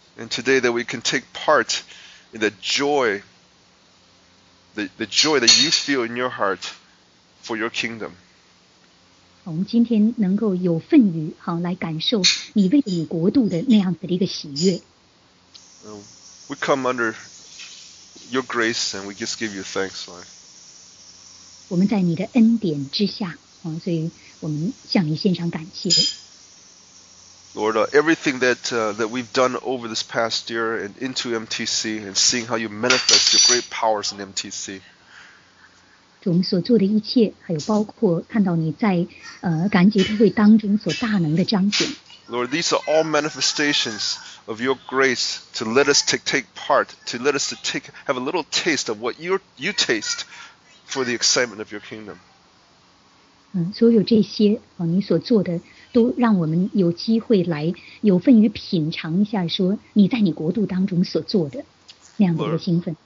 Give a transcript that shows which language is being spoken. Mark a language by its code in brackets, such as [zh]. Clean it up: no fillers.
[en] And today that we can take part in the joy that you feel in your heart for your kingdom. [zh] 我们今天能够有份于来感受你为你国度的那样子的一个喜悦。 [en] We come under your grace and we just give you thanks, Lord. [zh] 我们在你的恩典之下，所以我们向你献上感谢。 [en] Lord, everything that we've done over this past year and into MTC and seeing how you manifest your great powers in MTC. [zh] 我们所做的一切，还有包括看到你在感恩节特会当中所大能的彰显。 [en] Lord, these are all manifestations of your grace to let us take part, to let us have a little taste of what you taste for the excitement of your kingdom. [zh] 所有这些你所做的都让我们有机会来有份于品尝一下说你在你国度当中所做的那样的一个兴奋。